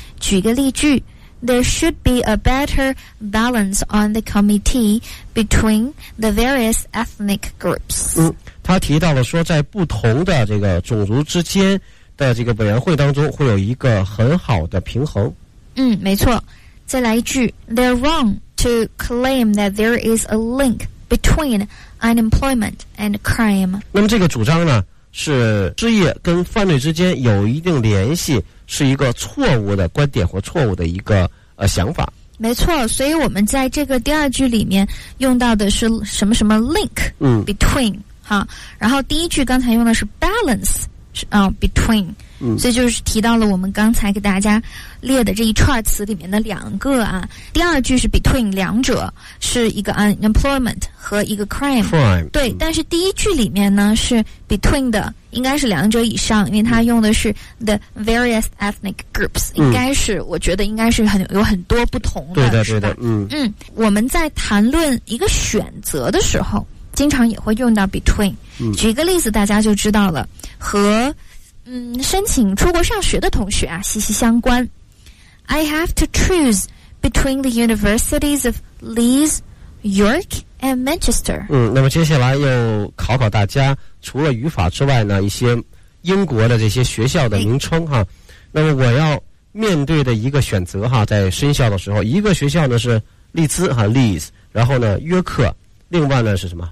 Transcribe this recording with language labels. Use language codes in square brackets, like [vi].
[zh] 举个例句， [en] There should be a better balance on the committee between the various ethnic groups。 [zh] 他提到了说在不同的这个种族之间的这个委员会当中会有一个很好的平衡。没错。再来一句， [en] They're wrong to claim that there is a link between unemployment and crime。 [zh] 那么这个主张呢是失业跟犯罪之间有一定联系，是一个错误的观点或错误的一个想法。没错，所以我们在这个第二句里面用到的是什么什么 [en] link between [zh] 哈，然后第一句刚才用的是 balance 啊 between， 所以就是提到了我们刚才给大家列的这一串词里面的两个啊。第二句是 between， 两者是一个 unemployment 和一个 crime， 对，但是第一句里面呢是 between 的，应该是两者以上，因为它用的是 [en] the various ethnic groups， [zh] 应该是我觉得应该是很有很多不同的，对的对的。我们在谈论一个选择的时候经常也会用到 between。举一个例子大家就知道了，和申请出国上学的同学啊息息相关。 [en] I have to choose between the universities of Leeds, York and Manchester。 [zh] 那么接下来又考考大家，除了语法之外呢，一些英国的这些学校的名称哈。那么我要面对的一个选择哈，在申校的时候，一个学校呢是利兹哈 Leeds， 然后呢约克，另外呢是什么？